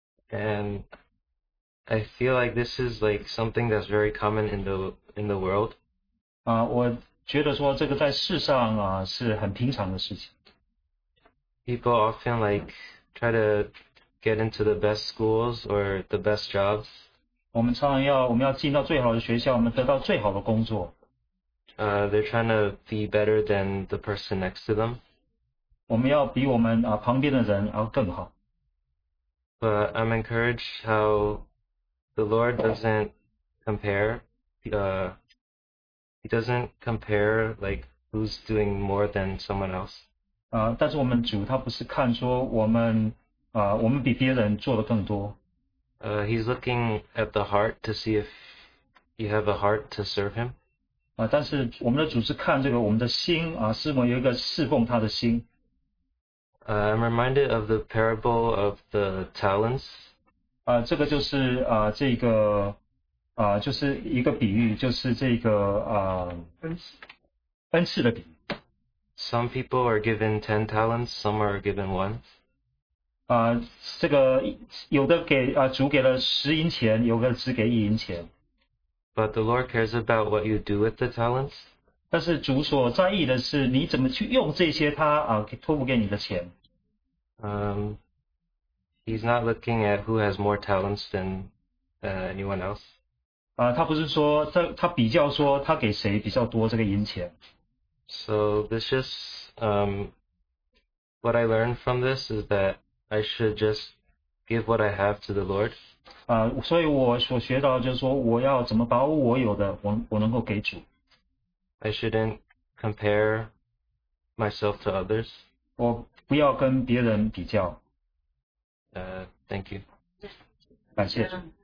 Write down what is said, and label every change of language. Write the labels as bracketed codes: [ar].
[en] And I feel like this is like something that's very common in the world. [zh] 我觉得说这个在世上是很平常的事情。 [en] People often like try to get into the best schools or the best jobs. [zh] 我们要进到最好的学校我们得到最好的工作。 [en] They're trying to be better than the person next to them. [zh] 我们要比我们旁边的人要更好。 [en] But I'm encouraged how the Lord doesn't compare. He doesn't compare like who's doing more than someone else. [zh] 但是我们主他不是看说我们比别人做的更多。 [en] He's looking at the heart to see if you have a heart to serve him. [zh] 但是我们的主是看这个我们的心是否有一个侍奉他的心。 [en] I'm reminded of the parable of the talents. [zh] 这个就是这个就是一个比喻就是这个恩赐的比喻。 [en] Some people are given 10 talents, some are given 1. [zh] 这个有的给主给了十银钱有的只给一银钱。 [en] But the Lord cares about what you do with the talents. [zh] 但是主所在意的是你怎么去用这些他托付给你的钱。 [en] He's not looking at who has more talents than anyone else. [zh] 他不是说他比较说他给谁比较多这个银钱。 [en] So this is what I learned from this is that I should just give what I have to the Lord. [zh] 所以我所学到就是说我要怎么把我有的 我能够给主。 [en] I shouldn't compare myself to others. [zh] 我不要跟别人比较。 [en] Thank you. [zh] 感谢主。